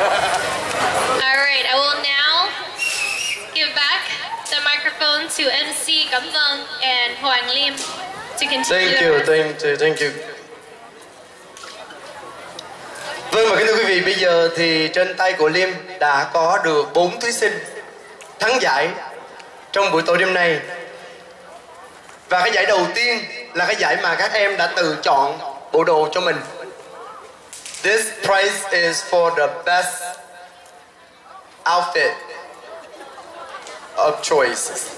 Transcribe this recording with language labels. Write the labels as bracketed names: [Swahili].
[English] All right, I will now give back the microphone to MC Gamfeng and Huang Lim to continue. Thank you. [Vietnamese] Vâng, và kính thưa quý vị, bây giờ thì trên tay của Lim đã có được 4 thí sinh thắng giải trong buổi tối đêm nay. Và cái giải đầu tiên là cái giải mà các em đã tự chọn bộ đồ cho mình. [English] This prize is for the best outfit of choice,